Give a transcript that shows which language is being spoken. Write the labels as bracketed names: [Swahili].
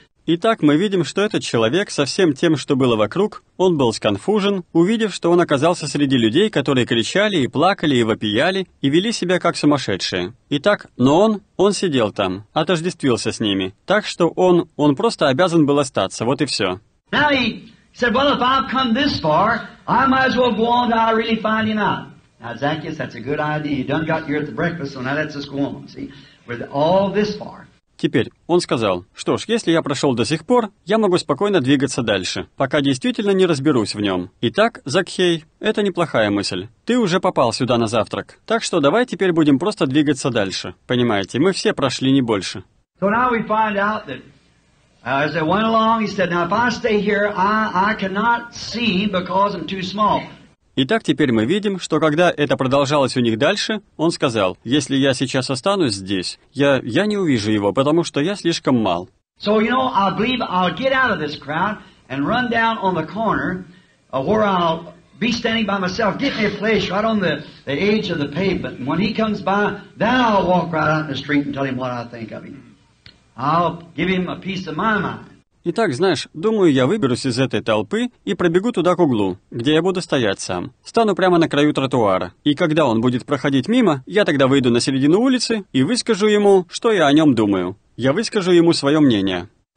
[Russian] Итак, мы видим, что этот человек со всем тем, что было вокруг, он был сконфужен, увидев, что он оказался среди людей, которые кричали и плакали и вопияли и вели себя как сумасшедшие. Итак, но он сидел там, отождествился с ними, так что он просто обязан был остаться, вот и все. [English] Now he said, well, if I've come this far, I might as well go on to really find him out. Now, Zacchaeus, that's a good idea. You done got here at the breakfast, so now let's just go on. See, we're all this far. [Russian] Теперь он сказал, что ж, если я прошел до сих пор, я могу спокойно двигаться дальше, пока действительно не разберусь в нем. Итак, Закхей, это неплохая мысль. Ты уже попал сюда на завтрак, так что давай теперь будем просто двигаться дальше. Понимаете, мы все прошли не больше. [English] So now we find out that as they went along, he said, now if I stay here, I cannot see because I'm too small. [Russian] Итак, теперь мы видим, что когда это продолжалось у них дальше, он сказал, «Если я сейчас останусь здесь, я не увижу его, потому что я слишком мал». [English] So, you know, I believe I'll get out of this crowd and run down on the corner where I'll be standing by myself. Get me a place right on the edge of the pavement. And when he comes by, then I'll walk right out in the street and tell him what I think of him. I'll give him a piece of my mind. [Russian] Итак, знаешь, думаю, я выберусь из этой толпы и пробегу туда к углу, где я буду стоять сам. Стану прямо на краю тротуара. И когда он будет проходить мимо, я тогда выйду на середину улицы и выскажу ему, что я о нем думаю. Я выскажу ему свое мнение.